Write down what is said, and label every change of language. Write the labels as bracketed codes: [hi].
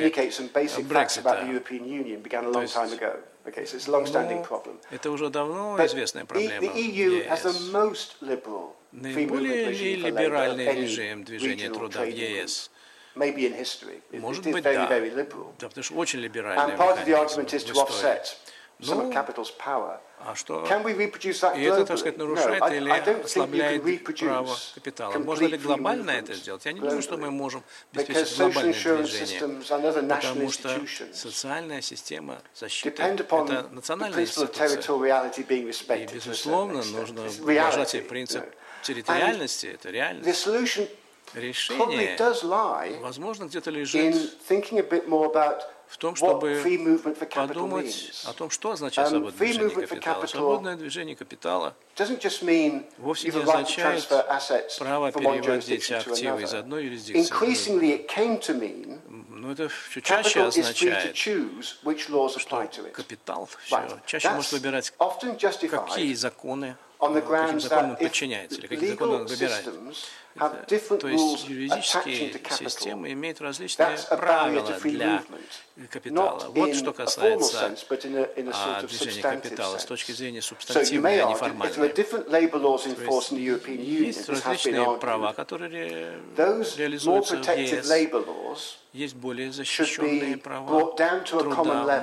[ru] Brexita. То есть, это уже давно известная проблема в ЕС. Наиболее либеральный режим движения труда в ЕС. [en] Maybe in history. [ru] Может быть, да. Да, потому что очень либеральный. [en] And part of the argument is to offset some of capital's power. [ru] А что? [en] Can we reproduce that globally? [ru] И это, так сказать, нарушает или ослабляет право капитала? Можно ли глобально это сделать? Я не думаю, что мы можем обеспечить глобальное движение, потому что социальная система защиты — это национальная институция. И, безусловно, нужно уважать принцип территориальности, это реальность. Решение, возможно, где-то лежит в том, чтобы подумать о том, что означает свободное движение капитала. Свободное движение капитала вовсе не означает право переводить активы из одной юрисдикции в другую. Но это все чаще означает, что капитал все чаще может выбирать, какие законы [en] on the grounds that legal systems have different rules attaching to capital, that's a barrier to free movement. [ru] Капитала. Not вот что касается движения капитала с точки зрения субстантивной, а не формальной. Есть различные права, которые реализуются в ЕС. Есть более защищенные права труда.